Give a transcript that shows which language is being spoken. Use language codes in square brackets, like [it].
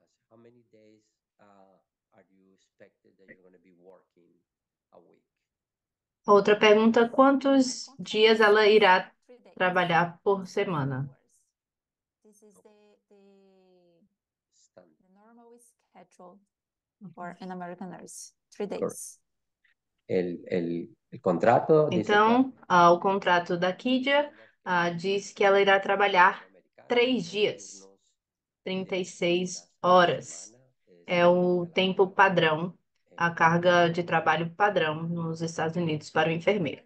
[en] How many days are you expected that you're going to be working a week? [pt] Outra pergunta, quantos dias ela irá trabalhar por semana? [en] This is the normal schedule for an American nurse. 3 days. [pt] El contrato. Então, o contrato da Kidia diz que ela irá trabalhar 3 dias, 36 horas. É o tempo padrão, a carga de trabalho padrão nos Estados Unidos para o enfermeiro.